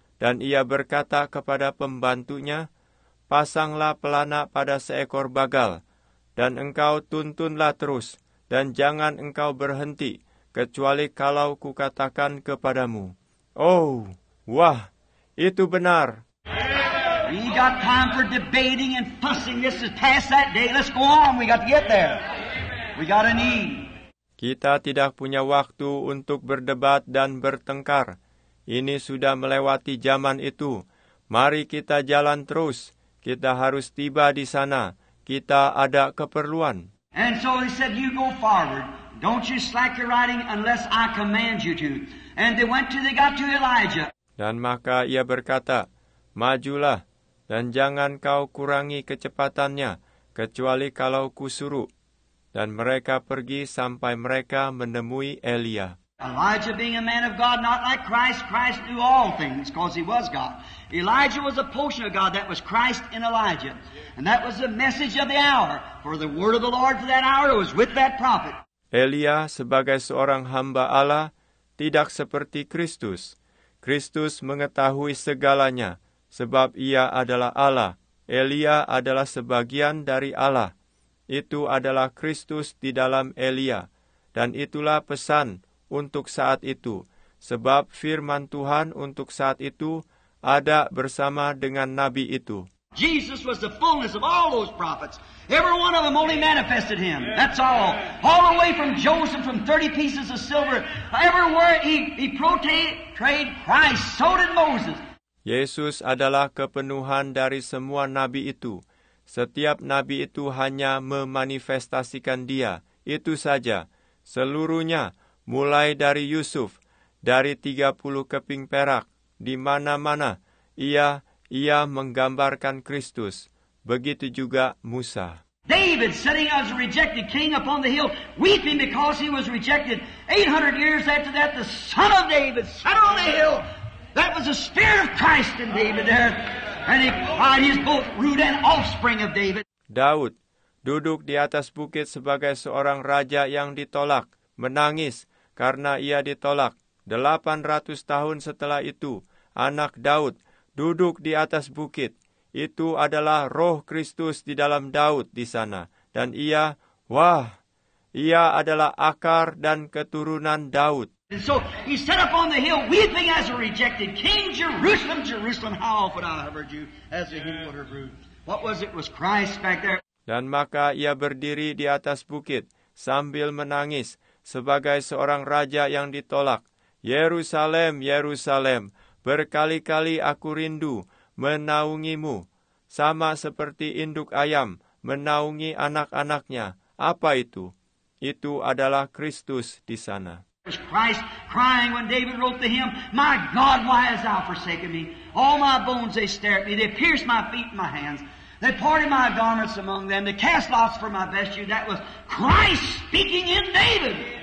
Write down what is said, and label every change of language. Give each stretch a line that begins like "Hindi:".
Indonesian: Dan ia berkata kepada pembantunya, pasanglah pelana pada seekor bagal, dan engkau tuntunlah terus, dan jangan engkau berhenti, kecuali kalau kukatakan kepadamu. Oh, wah, itu benar.
English: We ain't got time for debating and fussing. This is past that day. Let's go on. We got to get there. We got a need.
Indonesian: Kita tidak punya waktu untuk berdebat dan bertengkar. Ini sudah melewati zaman itu. Mari kita jalan terus. Kita harus tiba di sana. Kita ada keperluan.
English: And so he said, you go forward. Don't you slack your riding unless I command you to. And they went till they got to Elijah.
Indonesian: Dan maka ia berkata, majulah, dan jangan kau kurangi kecepatannya, kecuali kalau kusuruh. Dan mereka pergi sampai mereka menemui Elia.
English: Elijah being a man of God, not like Christ, Christ knew all things, because he was God. Elijah was a portion of God, that was Christ in Elijah. And that was the message of the hour, for the word of the Lord for that hour was with that prophet.
Indonesian: Elia sebagai seorang hamba Allah, tidak seperti Kristus. Kristus mengetahui segalanya, sebab ia adalah Allah. Elia adalah sebagian dari Allah. Itu adalah Kristus di dalam Elia. Dan itulah pesan untuk saat itu, sebab firman Tuhan untuk saat itu ada bersama dengan nabi itu.
English: Jesus was the fullness of all those prophets. Every one of them only manifested him. That's all. All the way from Joseph, from 30 pieces of silver. Everywhere he portrayed Christ, so did Moses.
Indonesian: Yesus adalah kepenuhan dari semua nabi itu. Setiap nabi itu hanya memanifestasikan dia. Itu saja. Seluruhnya, mulai dari Yusuf, dari 30 keping perak, di mana-mana, ia menggambarkan Kristus. Begitu juga Musa.
English: David sitting as a rejected king upon the hill, weeping because he was rejected. 800 years after that, the son of David sat on the hill. That was the spirit of Christ in David there. And he cried, he's both root and offspring of David.
Indonesian: Daud duduk di atas bukit sebagai seorang raja yang ditolak, menangis karena ia ditolak. 800 tahun setelah itu, anak Daud duduk di atas bukit. Itu adalah roh Kristus di dalam Daud di sana. Dan ia, wah, ia adalah akar dan keturunan Daud.
English: And so he sat up on the hill weeping as a rejected king, Jerusalem, Jerusalem, how often I have heard you as a hymn water brood. What was it? Was Christ back there.
Indonesian: Dan maka ia berdiri di atas bukit sambil menangis sebagai seorang raja yang ditolak. Yerusalem, Yerusalem, berkali-kali aku rindu menaungimu, sama seperti induk ayam menaungi anak-anaknya. Apa itu? Itu adalah Kristus di sana.
English: Christ crying when David wrote the hymn, my God, why hast thou forsaken me? All my bones they stare at me, they pierce my feet and my hands, they parted my garments among them, they cast lots for my vesture. That was Christ speaking in David.